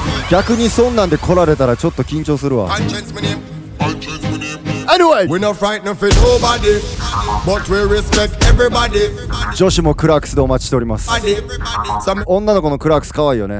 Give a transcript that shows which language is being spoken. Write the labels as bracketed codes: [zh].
[ja] 逆にそんなんで来られたらちょっと緊張するわ。 [en] Anyway! We're not frightened for nobody, but we respect everybody. [ja] 女子もクラークスでお待ちしております。女の子のクラークス可愛いよね。